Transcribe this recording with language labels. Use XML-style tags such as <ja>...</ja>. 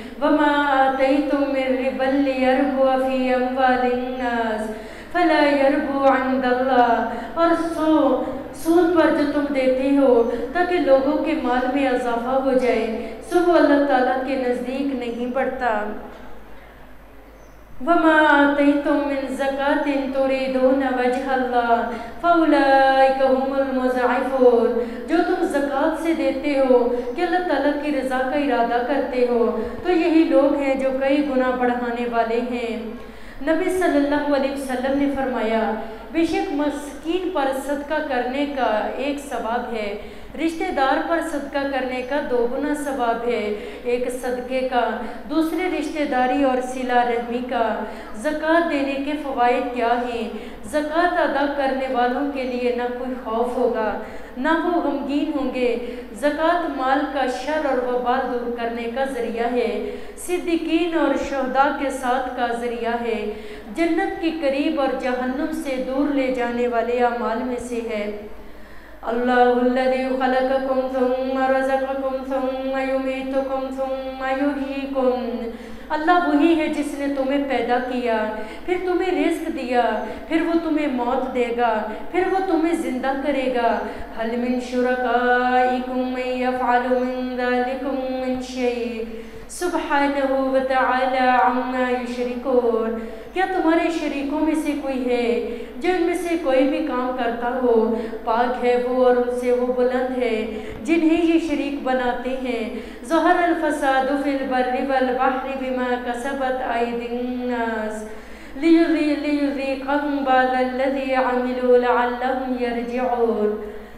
<ar>وما آتیتم من ربا لیربو فی اموال الناس فلا یربو عند اللہ,</ar> <ur>اور سود پر جو تم دیتے ہو تاکہ لوگوں کے مال میں اضافہ ہو جائے سو وہ اللہ تعالیٰ کے نزدیک نہیں بڑھتا.</ur> <ar>وما آتيتم من زكاة تريدون وجه الله فأولئك هم المضعفون.</ar> <ur>جو تم زکوٰۃ سے دیتے ہو کہ اللہ تعالیٰ کی رضا کا ارادہ کرتے ہو تو یہی لوگ ہیں جو کئی گنا بڑھانے والے ہیں. نبی صلی اللہ علیہ وسلم نے فرمایا بے شک مسکین پر صدقہ کرنے کا ایک ثواب ہے, رشتہ دار پر صدقہ کرنے کا دو گنا ثواب ہے, ایک صدقے کا دوسرے رشتہ داری اور صلہ رحمی کا. زکوٰۃ دینے کے فوائد کیا ہیں؟ زکوٰۃ ادا کرنے والوں کے لیے نہ کوئی خوف ہوگا نہ وہ غمگین ہوں گے. زکوٰۃ مال کا شر اور وبال دور کرنے کا ذریعہ ہے, صدیقین اور شہداء کے ساتھ کا ذریعہ ہے, جنت کے قریب اور جہنم سے دور لے جانے والے اعمال میں سے ہے.</ur> <ar>اللہ الذي خلقكم ثم رزقكم ثم يميتكم ثم يحييكم.</ar> <ur>اللہ وہی ہے جس نے تمہیں پیدا کیا, پھر تمہیں رزق دیا, پھر وہ تمہیں موت دے گا, پھر وہ تمہیں زندہ کرے گا.</ur> <ar>هل من شركائكم من يفعل من ذلكم من شيء سبحانه وتعالى عما يشركون.</ar> <ur>کیا تمہارے شریکوں میں سے کوئی ہے جن میں سے کوئی بھی کام کرتا ہو؟ پاک ہے وہ اور ان سے وہ بلند ہے جنہیں یہ شریک بناتے ہیں.</ur> <ar>ظہر الفساد فی البر والبحر بما کسبت ایدی الناس لیذیقہم بعض الذی عملوا لعلہم یرجعون.</ar>